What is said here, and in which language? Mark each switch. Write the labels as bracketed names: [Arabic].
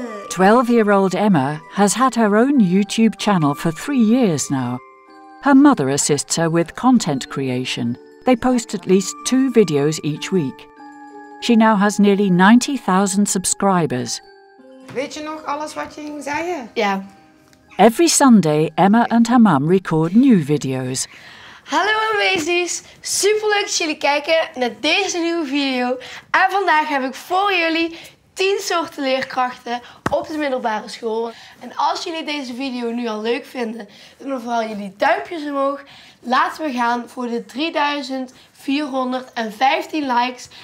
[English] 12-year-old Emma has had her own YouTube channel for 3 years now. Her mother assists her with content creation. They post at least 2 videos each week. She now has nearly 90,000 subscribers. [Dutch] Weet je nog alles wat je ging zeggen? Ja. [English] Every Sunday, Emma and her mom record new videos. [Dutch] Hallo amazies, superleuk dat jullie kijken naar deze nieuwe video. En vandaag heb ik voor jullie 10 soorten leerkrachten op de middelbare school. En als jullie deze video nu al leuk vinden, doe dan vooral jullie duimpjes omhoog. Laten we gaan voor de 3415 likes.